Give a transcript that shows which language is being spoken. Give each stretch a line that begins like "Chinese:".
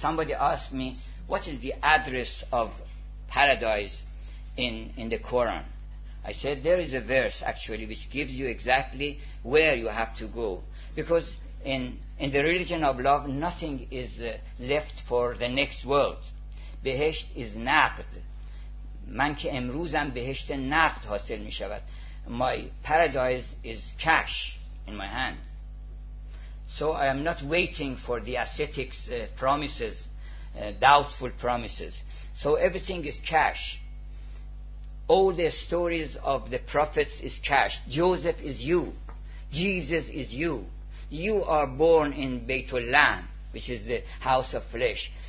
English: Somebody asked me, what is the address of paradise in the Quran? I said, there is a verse actually which gives you exactly where you have to go. Because in the religion of love, nothing is left for the next world. Behesht is naqd.
Persian: من که امروزم بهشت نقد حاصل می شود.
English: My paradise is cash in my hand. So I am not waiting for the ascetics' promises, doubtful promises. So everything is cash. All the stories of the prophets is cash. Joseph is you. Jesus is you. You are born in Baitul Lahm, which is the house of flesh.